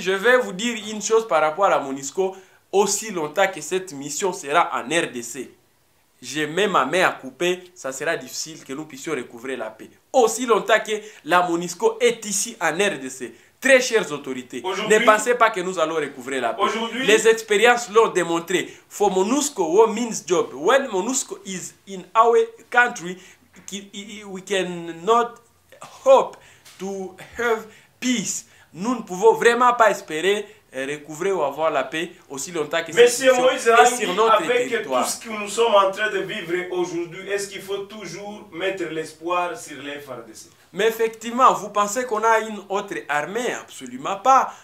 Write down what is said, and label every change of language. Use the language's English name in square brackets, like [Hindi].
[French] Je vais vous dire une chose par rapport à la MONUSCO. Aussi longtemps que cette mission sera en RDC, je mets ma main à couper, ça sera difficile que nous puissions recouvrer la paix. Aussi longtemps que la MONUSCO est ici en RDC, très chères autorités, ne pensez pas que nous allons recouvrer la paix. Les expériences l'ont démontré. [English] For MONUSCO, what means job? When MONUSCO is in our country, we cannot hope to have peace. [French] Nous ne pouvons vraiment pas espérer recouvrer ou avoir la paix aussi longtemps que cette situation est sur notre territoire. Avec tout ce que nous sommes en train de vivre aujourd'hui, est-ce qu'il faut toujours mettre l'espoir sur les FARDC? Mais effectivement, vous pensez qu'on a une autre armée? Absolument pas.